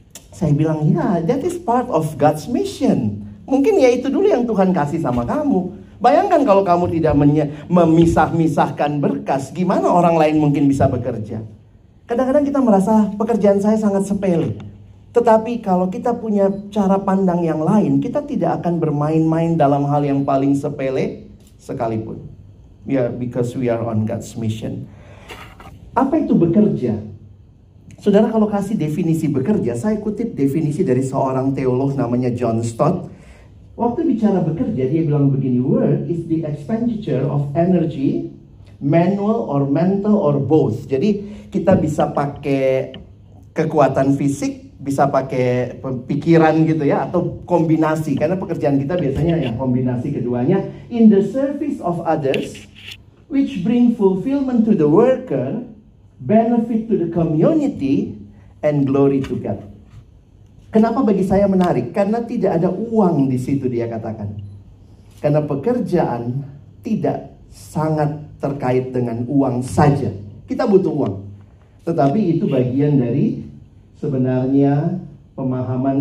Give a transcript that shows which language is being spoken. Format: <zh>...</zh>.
<id>Saya bilang, ya,</id> <en>that is part of God's mission.</en> <id>Mungkin ya itu dulu yang Tuhan kasih sama kamu. Bayangkan kalau kamu tidak memisah-misahkan berkas, gimana orang lain mungkin bisa bekerja? Kadang-kadang kita merasa pekerjaan saya sangat sepele. Tetapi kalau kita punya cara pandang yang lain, kita tidak akan bermain-main dalam hal yang paling sepele sekalipun.</id> <en>Yeah, because we are on God's mission.</en> <id>Apa itu bekerja? Saudara, kalau kasih definisi bekerja, saya kutip definisi dari seorang teolog namanya John Stott. Waktu bicara bekerja, dia bilang begini,</id> <en>work is the expenditure of energy, manual or mental or both.</en> <id>Jadi kita bisa pakai kekuatan fisik, bisa pakai pikiran gitu ya, atau kombinasi. Karena pekerjaan kita biasanya ya kombinasi keduanya.</id> <en>In the service of others, which bring fulfillment to the worker, benefit to the community, and glory to God.</en> <id>Kenapa bagi saya menarik? Karena tidak ada uang di situ, dia katakan. Karena pekerjaan tidak sangat terkait dengan uang saja. Kita butuh uang. Tetapi itu bagian dari sebenarnya pemahaman.</id>